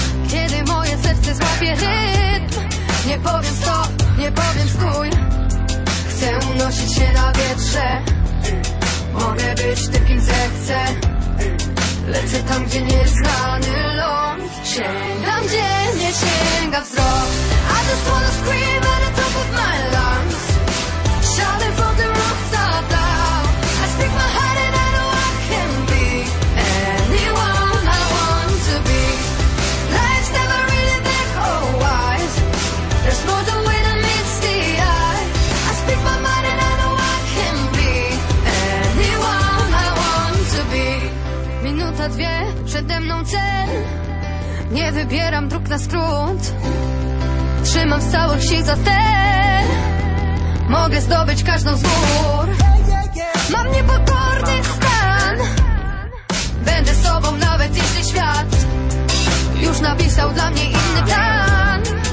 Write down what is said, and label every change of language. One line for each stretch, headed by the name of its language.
Polish: Kiedy moje serce złapie rytm, nie powiem stop, nie powiem stój. Chcę unosić się na wietrze, mogę być tym, kim zechcę. Lecę tam, gdzie nieznany ląd, sięgam, gdzie nie sięga wzrok.
English: I just wanna scream at the top of my lungs, shouting from the rooftop. Take my heart and I know I can be anyone I want to be. Life's never really black or white, there's more than when I meets the eye. I speak my mind and I know I can be anyone I want to be.
Polish: Minuta, dwie, przede mną cel. Nie wybieram dróg na skrót. Trzymam z całych sił za cel. Mogę zdobyć każdą z gór. Mam niepokorny stan, będę sobą nawet jeśli świat już napisał dla mnie inny plan.